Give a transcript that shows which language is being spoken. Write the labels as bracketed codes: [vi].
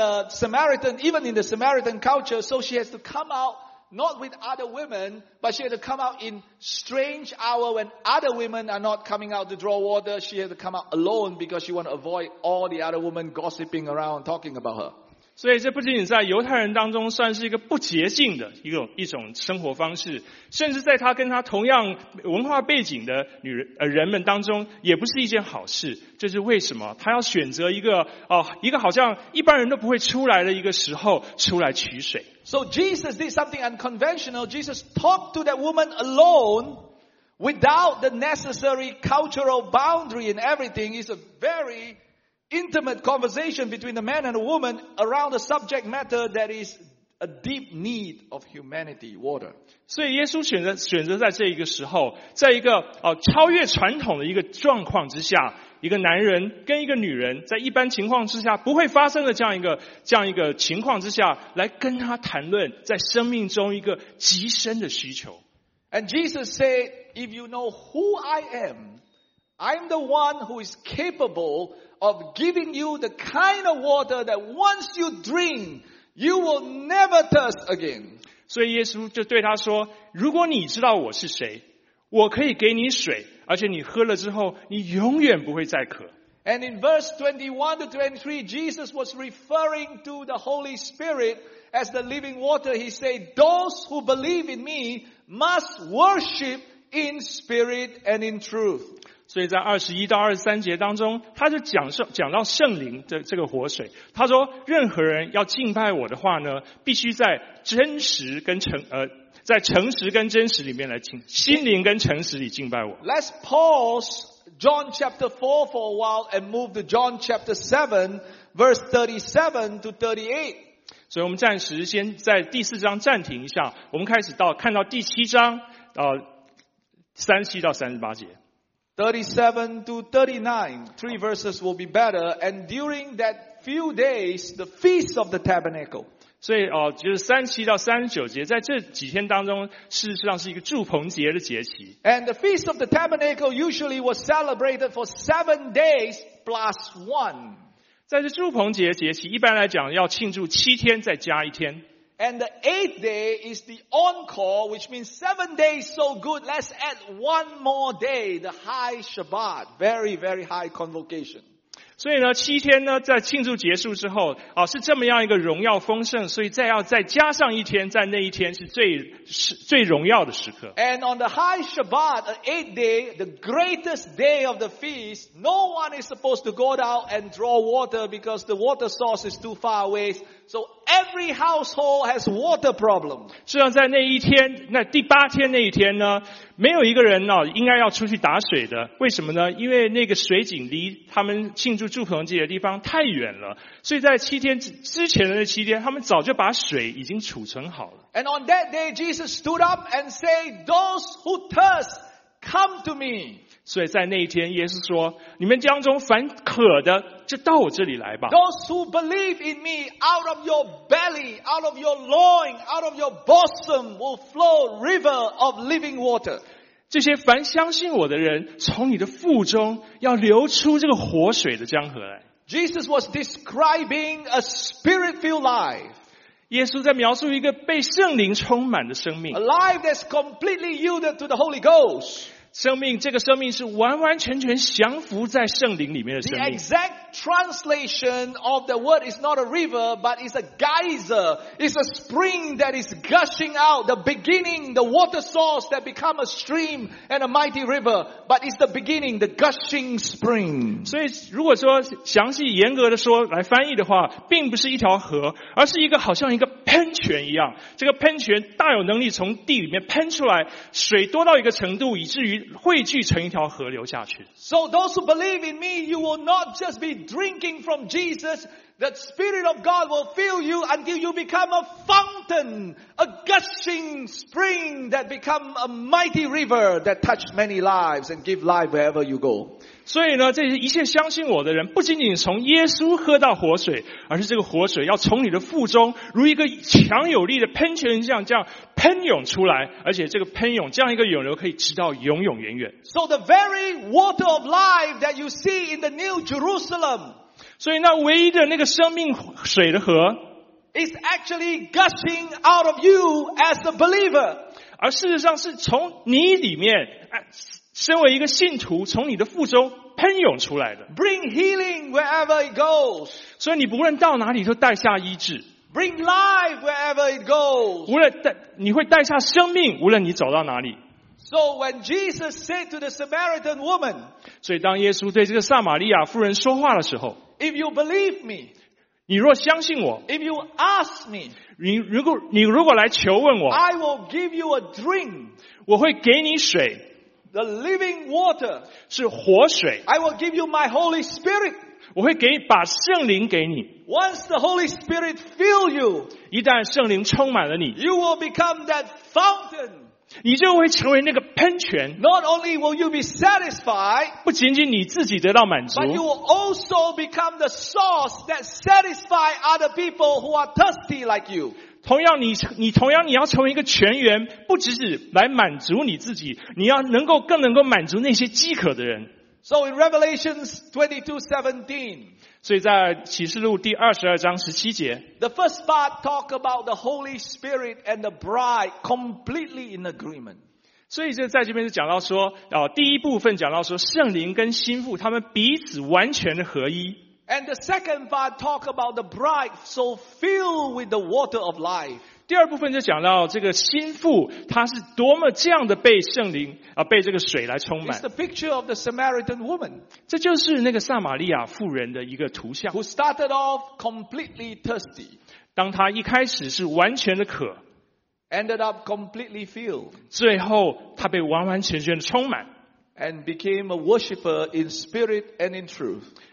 [en] In the Samaritan culture, so she has to come out not with other women, but she had to come out in strange hour when other women are not coming out to draw water. She had to come out alone because she wants to avoid all the other women gossiping around talking about her. [zh] 所以这不仅仅在犹太人当中算是一个不洁净的一种生活方式，甚至在她跟她同样文化背景的人们当中也不是一件好事。这是为什么她要选择一个好像一般人都不会出来的一个时候出来取水。 [en] So Jesus did something unconventional. Jesus talked to that woman alone without the necessary cultural boundary and everything. It's a very intimate conversation between the man and the woman around a subject matter that is a deep need of humanity, water. [zh] 所以耶稣选择在这一个时候，在一个超越传统的一个状况之下，一个男人跟一个女人在一般情况之下不会发生的这样一个情况之下，来跟他谈论在生命中一个极深的需求。 [en] And Jesus said, "If you know who I am, I'm the one who is capable." Of giving you the kind of water that once you drink, you will never thirst again. [zh] 所以耶稣就对他说，如果你知道我是谁，我可以给你水，而且你喝了之后，你永远不会再渴。 [en] And in verse 21 to 23, Jesus was referring to the Holy Spirit as the living water. He said, those who believe in me must worship in spirit and in truth. [zh] 所以在21到23节当中，他就讲到圣灵的这个活水。他说任何人要敬拜我的话呢，必须在诚实跟真实里面来敬，心灵跟诚实里敬拜我。 [en] Let's pause John chapter 4 for a while and move to John chapter 7 verse 37 to 38. [zh] 所以我们暂时先在第四章暂停一下，我们开始到看到第七章37到38节。 [en] 37 to 39, three verses will be better, and during that few days, the Feast of the Tabernacle. [zh] 所以就是37到39节，在这几天当中，事实上是一个祝棚节的节期。 [en] And the Feast of the Tabernacle usually was celebrated for 7 days plus one. [zh] 在这祝棚节节期，一般来讲要庆祝七天再加一天。 [en] And the 8th day is the encore, which means 7 days so good, let's add one more day, the high Shabbat, very, very high convocation. [zh] 所以呢，七天呢，在庆祝结束之后，是这么样一个荣耀丰盛，所以再加上一天，在那一天是最荣耀的时刻。 [en] And on the high Shabbat, the 8th day, the greatest day of the feast, no one is supposed to go out and draw water because the water source is too far away. So every household has water problem. [zh] 实际上在那一天，那第八天那一天呢，没有一个人呢应该要出去打水的。为什么呢？因为那个水井离他们庆祝祝棚祭的地方太远了，所以在七天之前的那七天，他们早就把水已经储存好了。 [en] And on that day, Jesus stood up and said, "Those who thirst, come to me." [zh] 所以在那一天，耶稣说：“你们当中凡渴的，就到我这里来吧。” [en] Those who believe in me, out of your belly, out of your loin, out of your bosom will flow river of living water. [zh] 这些凡相信我的人，从你的腹中要流出这个活水的江河来。 [en] Jesus was describing a spirit-filled life. [zh] 耶稣在描述一个被圣灵充满的生命。 [en] A life that's completely yielded to the Holy Ghost. [zh] 生命，这个生命是完完全全降服在圣灵里面的生命。 [en] The exact translation of the word is not a river, but it's a geyser. It's a spring that is gushing out, the beginning, the water source that become a stream and a mighty river. But it's the beginning, the gushing spring. [zh] 所以如果说详细严格的说来翻译的话，并不是一条河，而是一个好像一个喷泉一样，这个喷泉大有能力从地里面喷出来，水多到一个程度，以至于汇聚成一条河流下去。 [en] So those who believe in me, you will not just be drinking from Jesus. The Spirit of God will fill you until you become a fountain, a gushing spring that become a mighty river that touch many lives and give life wherever you go. [zh] 所以呢，这一切相信我的人，不仅仅从耶稣喝到活水，而是这个活水要从你的腹中，如一个强有力的喷泉一样，这样喷涌出来，而且这个喷涌，这样一个涌流可以直到永永远远。 [en] So the very water of life that you see in the New Jerusalem, [zh] 所以那唯一的那个生命水的河 [en] is actually gushing out of you as a believer. [zh] 而事实上是从你里面，身为一个信徒，从你的腹中喷涌出来的。 [en] Bring healing wherever it goes. [zh] 所以你不论到哪里都带下医治。 [en] Bring life wherever it goes. [zh] 无论你会带下生命，无论你走到哪里。 [en] So when Jesus said to the Samaritan woman, [zh] 所以当耶稣对这个撒玛利亚妇人说话的时候， [en] If you believe me, [zh] 你若相信我， [en] If you ask me, [zh] 你如果来求问我， [en] I will give you a drink. [zh] 我会给你水。 [en] The living water [zh] 是活水。 [en] I will give you my Holy Spirit. [zh] 我会给把圣灵给你。 [en] Once the Holy Spirit fill you, [zh] 一旦圣灵充满了你， [en] you will become that fountain. [zh] 你就会成为那个喷泉。 [en] Not only will you be satisfied, [zh] 不仅仅你自己得到满足， [en] but you will also become the source that satisfy other people who are thirsty like you. [zh] 同样你要成为一个泉源，不只是来满足你自己，你要能够更能够满足那些饥渴的人。 [en] So in Revelations 22:17, [zh] 所以在启示录第22章17节， [en] The first part talk about the Holy Spirit and the bride completely in agreement. [zh] 所以就在这边就讲到说，第一部分讲到说圣灵跟心腹他们彼此完全的合一。 [en] And the second part talk about the bride so filled with the water of life. [zh] 第二部分就讲到这个心腹他是多么这样的被圣灵被这个水来充满。 [en] It's the picture of the Samaritan woman. [zh] 这就是那个撒玛利亚妇人的一个图像。 [en] Who started off completely thirsty. [zh] 当他一开始是完全的渴。 [en] Ended up completely filled. [zh] 最后他被完完全全的充满。 [en] And became a worshipper in spirit and in truth.